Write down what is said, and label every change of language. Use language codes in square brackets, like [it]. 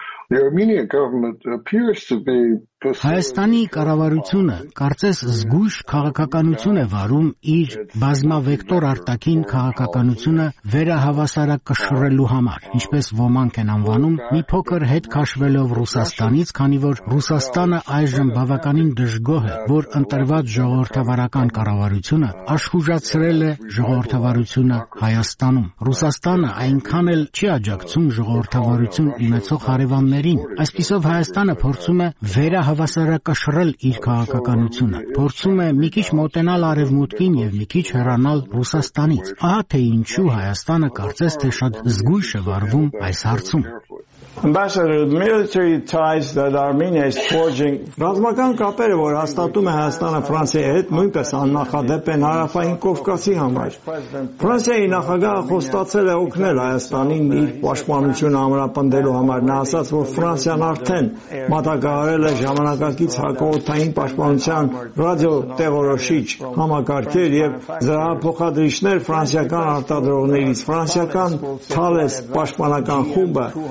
[en] The Armenian government appears to be [hy] Հայաստանի կառավարությունը կարծես զգույշ քաղաքականություն է վարում իր բազմավեկտոր արտաքին քաղաքականությունը վերահավասարակշռելու համար, ինչպես ոմանք են անվանում, մի փոքր հետ քաշվելով Ռուսաստանից, քանի որ Ռուսաստանը այժմ բավականին դժգոհ է, որ ընտրված ժողովրդավարական կառավարությունը աշխուժացրել է ժողովրդավարությունը Հայաստանում։ Ռուսաստանը այնքան էլ չի աջակցում ժողովրդավարություն ունեցող հարևաններին, այսպիսով Հայաստանը փորձում է վերահավասարակշռել հավասարակշռել իր քաղաքականությունը, փորձում է մի քիչ մոտենալ արևմուտքին և մի քիչ հեռանալ Ռուսաստանից, ահա թե ինչու Հայաստանը կարծես թե շատ զգույշ է վարվում այս հարցում։ [en] Ambassador, the military ties that Armenia is forging. [hy] Ռազմական կապերը, որ հաստատում է Հայաստանը Ֆրանսիայի հետ, նույնպես աննախադեպ են Հարավային Կովկասի համար։ Ֆրանսիայի նախագահը խոստացել է օգնել Հայաստանին իր պաշտպանությունը ամրապնդելու համար, նա ասաց, որ Ֆրանսիան արդեն մատակարարել է ժամանակակից հակաօդային պաշտպանության ռադիո տեղորոշիչ համակարգեր և զրահափոխադրիչներ ֆրանսիական արտադրողներից, ֆրանսիական Թալես պաշտպանական խումբը